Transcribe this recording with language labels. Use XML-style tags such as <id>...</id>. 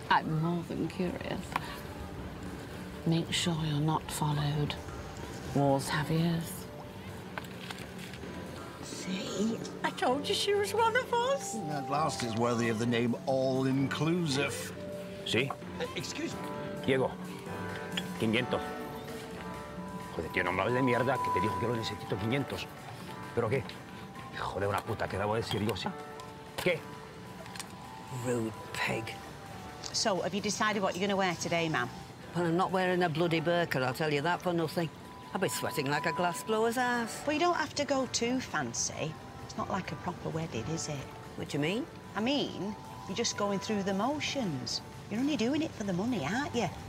<en>I'm more than curious. Make sure you're not followed. Wars have ears. See? I told you she was one of us. That last is worthy of the name All-Inclusive. See? Excuse me. Diego. 500.</en> <es>Joder, tío, no me hables de mierda, que te dijo que lo necesito 500. ¿Pero qué? Hijo de una puta, ¿qué debo decir yo? ¿Qué?</es> <en>Rude pig. So, have you decided what you're going to wear today, ma'am? Well, I'm not wearing a bloody burqa, I'll tell you that for nothing. I'll be sweating like a glassblower's ass. Well, you don't have to go too fancy. It's not like a proper wedding, is it? What do you mean? I mean, you're just going through the motions. You're only doing it for the money, aren't you?</en>